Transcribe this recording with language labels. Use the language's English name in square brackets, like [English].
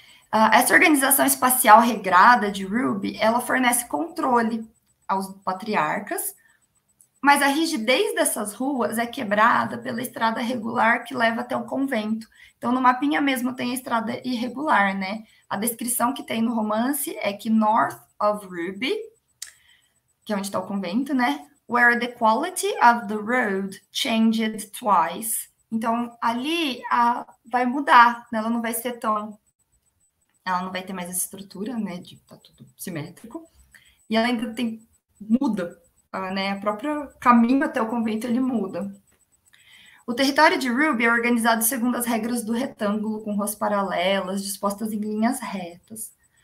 [Portuguese] Essa organização espacial regrada de Ruby, ela fornece controle aos patriarcas, mas a rigidez dessas ruas é quebrada pela estrada regular que leva até o convento. Então, no mapinha mesmo tem a estrada irregular, né? A descrição que tem no romance é que [English] north of Ruby, [Portuguese] que é onde está o convento, né? [English] Where the quality of the road changed twice. [Portuguese] Então, ali vai mudar, né? Ela não vai ser tão... Ela não vai ter mais essa estrutura, né? De tá tudo simétrico. E ela ainda tem... Muda. Né, o próprio caminho até o convento ele muda. O território de Ruby é organizado segundo as regras do retângulo, com ruas paralelas, dispostas em linhas retas.